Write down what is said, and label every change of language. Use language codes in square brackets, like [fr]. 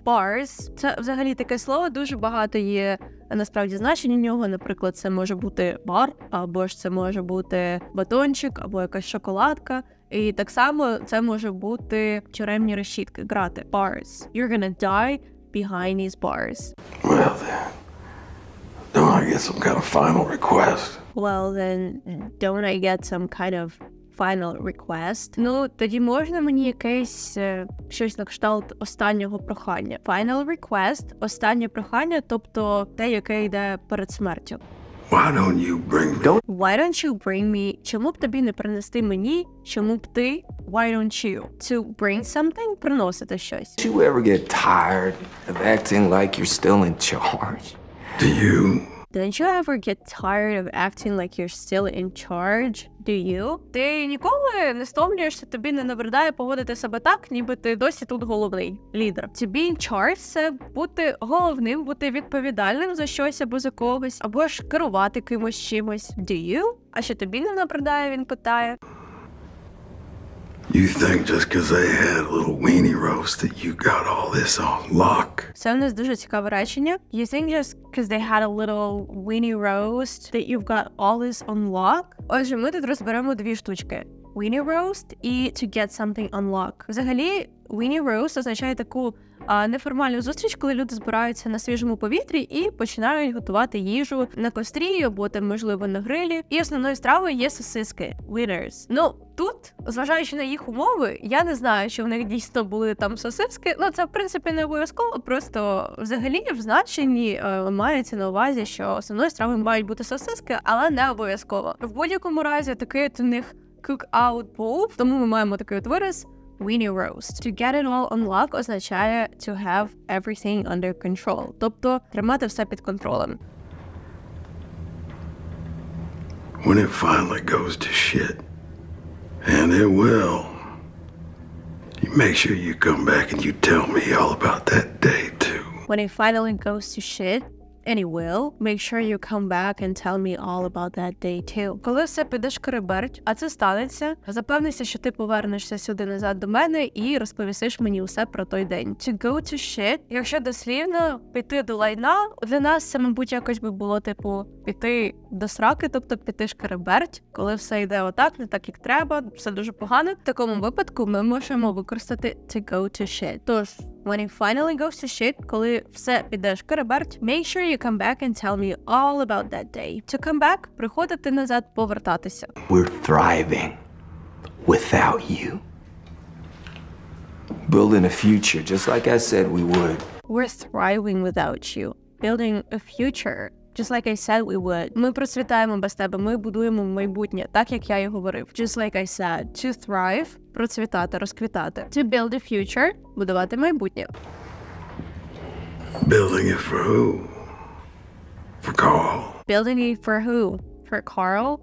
[uk] Bars – це взагалі таке слово, дуже багато є насправді значення нього. Наприклад, це може бути бар, або ж це може бути батончик, або якась шоколадка. І так само це може бути тюремні решітки, грати. [en] Bars. You're gonna die behind these bars. Well then. Don't I get some kind of final request? Well then, don't I get some kind of final request. [uk] Ну, тоді можна мені якесь щось на кшталт останнього прохання? [en] Final request, [uk] останнє прохання, тобто те, яке йде перед смертю. [en] Why don't you bring me? Why don't you bring me? [uk] Чому б тобі не принести мені? Чому б ти? [en] Why don't you? To bring something, [uk] приносити щось. [en] Do you ever get tired of acting like you're still in charge? Do you? Don't you ever get tired of acting like you're still in charge? Do you? [uk] Ти ніколи не стомлюєшся, тобі не набридає поводити себе так, ніби ти досі тут головний, лідер. [en] To be in charge [uk] – це бути головним, бути відповідальним за щось або за когось, або ж керувати кимось чимось. [en] Do you? [uk] А що тобі не набридає, він питає. [en] You think just because I had a little weenie roast that you got all this on lock? [uk] Це в нас дуже цікаве речення. [en] You think just because they had a little weenie roast that you've got all this on lock? [uk] Отже, ми тут розберемо дві штучки. [en] Weenie roast і to get something on lock. [uk] Взагалі, [en] weenie roast [uk] означає таку неформальну зустріч, коли люди збираються на свіжому повітрі і починають готувати їжу на кострі або там, можливо, на грилі. І основною стравою є сосиски. [en] Winners. [uk] Ну, тут, зважаючи на їх умови, я не знаю, чи в них дійсно були там сосиски. Ну, це, в принципі, не обов'язково, просто взагалі в значенні мається на увазі, що основною стравою мають бути сосиски, але не обов'язково. В будь-якому разі такий от у них [en] cook-out bowl, [uk] тому ми маємо такий от вираз. [en] Weenie roast. To get it all on lock означає to have everything under control. [uk] Тобто тримати все під контролем. [en] When it finally goes to shit, and it will, you make sure you come back and you tell me all about that day too. When it finally goes to shit, and it will, make sure you come back and tell me all about that day too. [uk] Коли все піде шкереберть, а це станеться, запевнися, що ти повернешся сюди назад до мене і розповісиш мені все про той день. [en] To go to shit, [uk] якщо дослівно, піти до лайна, для нас це, мабуть, якось би було, типу, піти до сраки, тобто піти шкереберть, коли все йде отак, не так, як треба, все дуже погано. В такому випадку ми можемо використати [en] to go to shit. Тож, when it finally goes to shit, [uk] коли все піде шкереберть, [en] make sure you come back and tell me all about that day. To come back, [uk] приходити назад, повертатися. [en] We're thriving without you. Building a future, just like I said we would. We're thriving without you. Building a future, just like I said we would. [uk] Ми процвітаємо без тебе, ми будуємо майбутнє, так як я і говорив. [en] Just like I said. To thrive, [uk] процвітати, розквітати. [en] To build a future, [uk] будувати майбутнє. [en] Building it for who? For Carl. Building it for who? For Carl?